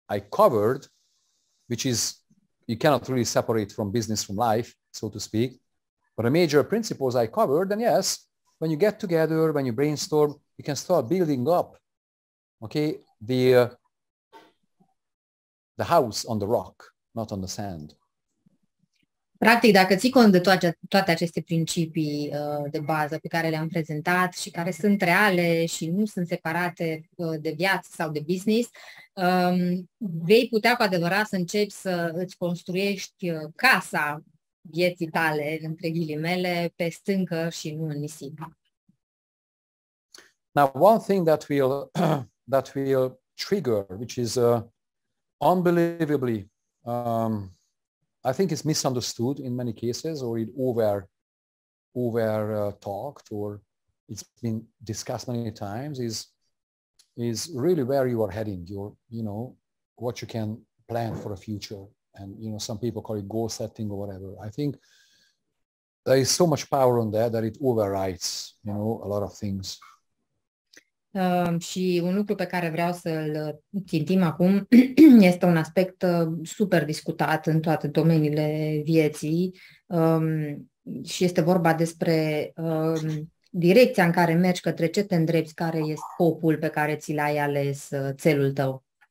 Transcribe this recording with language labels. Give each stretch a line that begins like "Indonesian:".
English: covered, which is you cannot really separate from business from life, so to speak, but the major principles I covered, and yes, when you get together, when you brainstorm, you can start building up, okay, the house on the rock, not on the sand.
Romanian: Practic, dacă ții cont de toate aceste principii de bază pe care le-am prezentat și care sunt reale și nu sunt separate de viață sau de business, vei putea cu adevărat să începi să îți construiești casa vieții tale, între ghilimele, pe stâncă și nu în nisip.
English: Now, one thing that will trigger, which is unbelievably I think it's misunderstood in many cases, or it over talked, or it's been discussed many times, is really where you are heading, your, you know, what you can plan for a future. And, you know, some people call it goal setting or whatever. I think there is so much power on that it overrides, you know, a lot of things.
Romanian: Și un lucru pe care vreau să-l țintim acum este un aspect super discutat în toate domeniile vieții și este vorba despre direcția în care mergi, către ce te îndrepți, care este scopul pe care ți l-ai ales, țelul tău.